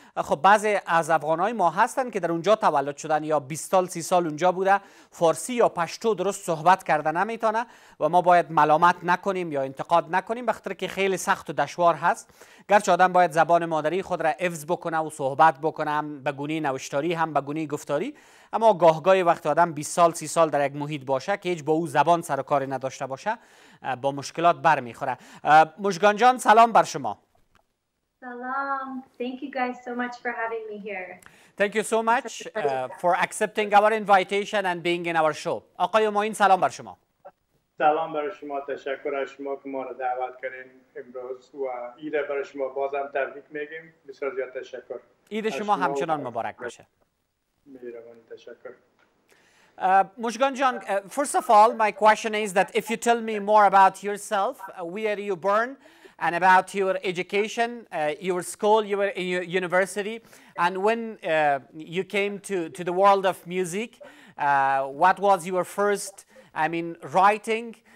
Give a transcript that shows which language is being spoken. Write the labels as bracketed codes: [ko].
[fa] خب بعضی از افغانهای ما هستن که در اونجا تولد شدن یا 20 سال 30 سال اونجا بوده، فارسی یا پشتو درست صحبت کرده نمیتونه و ما باید ملامت نکنیم یا انتقاد نکنیم، به خاطر که خیلی سخت و دشوار هست. گرچه آدم باید زبان مادری خود را حفظ بکنه و صحبت بکنه، به گونه نوشتاری هم به گونه گفتاری، اما گاهگاهی وقتی آدم 20 سال 30 سال در یک محیط باشه که هیچ با او زبان سر و کاری نداشته باشه، با مشکلات برمیخوره. مژگان جان سلام بر شما. Salam. [en] Thank you guys so much for having me here. Thank you so much for accepting our invitation and being in our show. [fa] آقای همایون سلام بر شما. سلام بر شما. تشکر از شما که ما را دعوت کردین امروز و عید بر شما بازم تبریک میگیم. بسیار زیاد تشکر. عید شما همچنان مبارک باشه. مهربانی. تشکر. [en] Mozhgan jan, first of all, my question is that if you tell me more about yourself, where you born, and about your education, your school, your university, and when you came to the world of music, what was your first, I mean, writing?